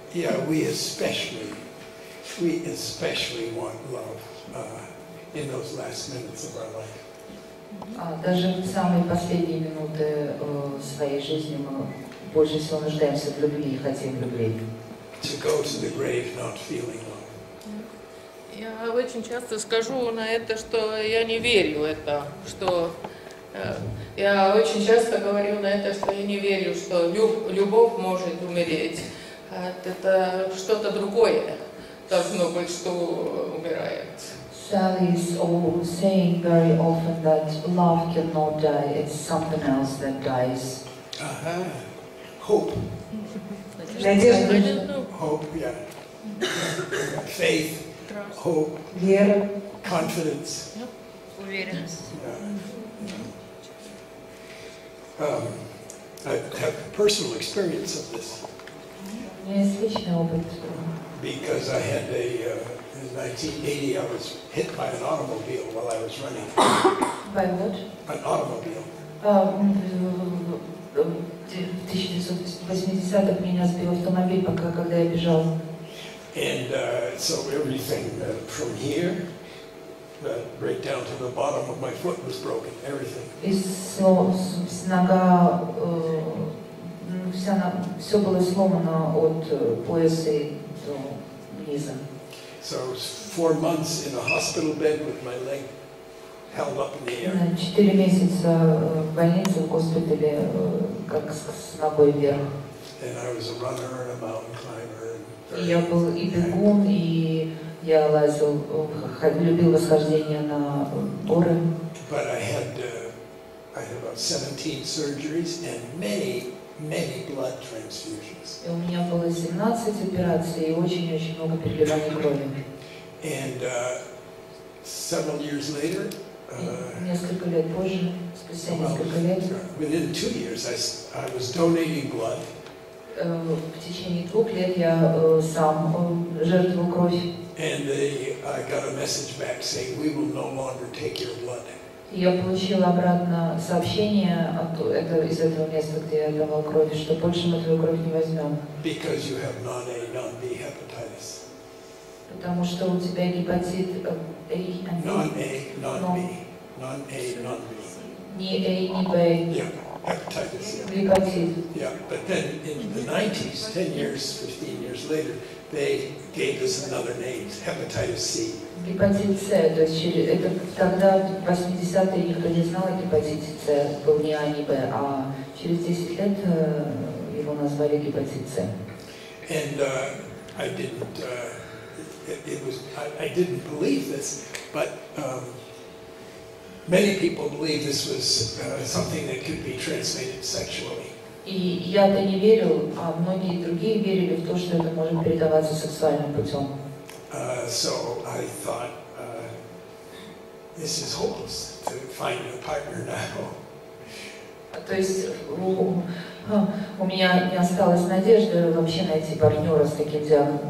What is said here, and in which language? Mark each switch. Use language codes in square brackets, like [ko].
[en] Yeah, we especially want love in those last minutes of our life. [ru] Даже в самые последние минуты своей жизни мы больше всего нуждаемся в любви и хотим любви. [en] To go to the grave not feeling love. [ru] Я очень часто скажу на это, что я не верю это, что я очень часто говорю на это, что я не верю, что любовь может умереть. Это что-то другое должно быть, что умирает. [en] Sally is always saying very often that love cannot die. It's something else that dies. Uh-huh. Hope. [ru] Надежда. [en] Hope, yeah. Faith. Hope, [ru] вера, [en] confidence, [ru] уверенность. [en] Yeah. I have personal experience of this. Yes, [ru] личный опыт. [en] Because I had a in 1980 I was hit by an automobile while I was running. By what? An automobile. [ru] В 1980-х меня сбил автомобиль, пока когда я бежал. [en] And so everything from here, right down to the bottom of my foot was broken. Everything. Is [ru] нога все было сломано от пояса до низа. [en] So I was 4 months in a hospital bed with my leg held up in the air. [ru] 4 месяца в больнице в госпитале как с ногой вверх. [en] And I was a runner and a mountain climber. [ru] Я был и бегун, и я лазил, любил восхождение на горы. [en] But I had about 17 surgeries and many, many blood transfusions. [ru] И у меня было 17 операций и очень-очень много переливаний крови. [en] And several years later. [ru] Несколько лет позже, спустя несколько лет. [en] Within 2 years, I was donating blood. [ru] В течение 2 лет я сам жертвовал кровь. [en] And I got a message back saying we will no longer take your blood. [ru] Я получил обратно сообщение из этого места, где я давал кровь, что больше мы твою кровь не возьмем. [en] Because you have non-A, non-B hepatitis. [ru] Потому что у тебя гепатит A и B. [en] Non-A, non-B. Non-A, non-B. [ru] Не A, не B. [en] Hepatitis. Yeah. Yeah, but then in the 90s, 10 years, 15 years later, they gave us another name, hepatitis C. [ru] Гепатит С, то есть это тогда в 80-е никто не знал о гепатите С, был не А, не Б, а через 10 лет его назвали гепатит С. [en] And I didn't believe this, but many people believe this was something that could be transmitted sexually. [ru] И я то не верил, а многие другие верили в то, что это может передаваться сексуальным путем. [en] So I thought, this is hopeless to find a partner now. [ru] То есть у меня не осталось надежды вообще найти партнера с таким диагнозом.